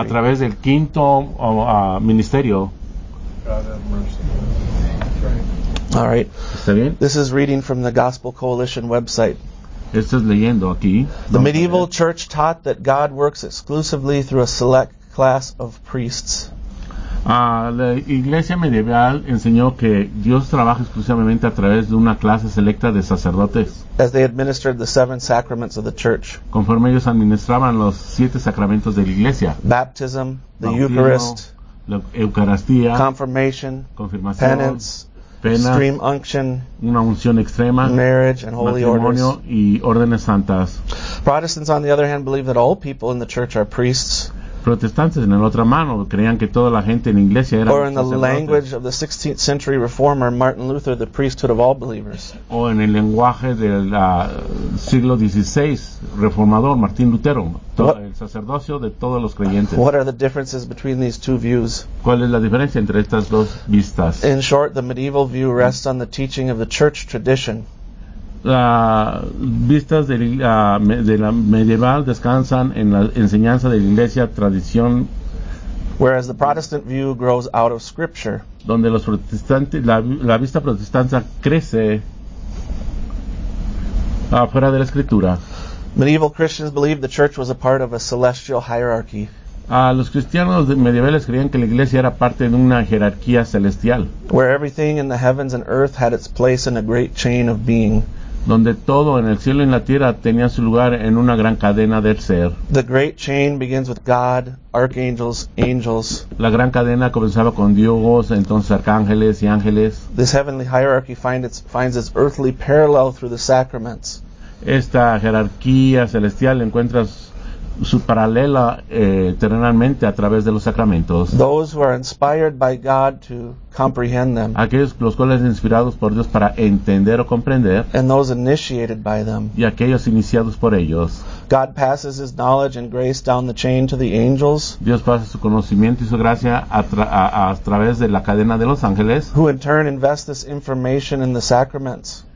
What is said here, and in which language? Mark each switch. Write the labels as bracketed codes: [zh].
[es] A través del quinto ministerio. [en] All right. [es] ¿Está bien? [en] This is reading from the Gospel Coalition website. [es] Esto es leyendo aquí. [en] The medieval church taught that God works exclusively through a select class of priests. [es] La iglesia medieval enseñó que Dios trabaja exclusivamente a través de una clase selecta de sacerdotes. [en] As they administered the seven sacraments of the church. [es] Conforme ellos administraban los siete sacramentos de la iglesia. [en] Baptism, the Eucharist, [es] la Eucaristía, [en] confirmation, [es] confirmación, [en] penance, [es] pena, [en] extreme unction, [es] una unción extrema, [en] marriage and holy [es] matrimonio [en] orders, [es] y órdenes santas. [en] Protestants, on the other hand, believe that all people in the church are priests. [es] Protestantes, en la otra mano, creían que toda la gente en la iglesia era [en] or in the language of the 16th century reformer Martin Luther, the priesthood of all believers. [es] O en el lenguaje del siglo 16 reformador Martín Lutero, el sacerdocio de todos los creyentes. [en] What are the differences between these two views? [es] ¿Cuál es la diferencia entre estas dos vistas? [en] In short, the medieval view rests on the teaching of the church tradition. [es] Vistas de la medieval descansan en la enseñanza de la iglesia tradición. [en] Whereas the Protestant view grows out of scripture. [es] Donde los protestantes, la vista protestante crece afuera de la escritura. [en] Medieval Christians believed the church was a part of a celestial hierarchy. [es] Los cristianos medievales creían que la iglesia era parte de una jerarquía celestial. [en] Where everything in the heavens and earth had its place in a great chain of being. [es] Donde todo en el cielo y en la tierra tenía su lugar en una gran cadena del ser. [en] The great chain begins with God, archangels, angels. [es] La gran cadena comenzaba con Dios, entonces arcángeles y ángeles. [en] This heavenly hierarchy finds its earthly parallel through the sacraments. [es] Esta jerarquía celestial encuentra su paralela terrenalmente a través de los sacramentos. [en] Those who are inspired by God to comprehend them. [es] Aquellos los cuales inspirados por Dios para entender o comprender. [en] And those initiated by them. [es] Y aquellos iniciados por ellos. [en] God passes his knowledge and grace down the chain to the angels. [es] Dios pasa su conocimiento y su gracia a través de la cadena de los ángeles. [en] Who in turn invest this information in the sacraments.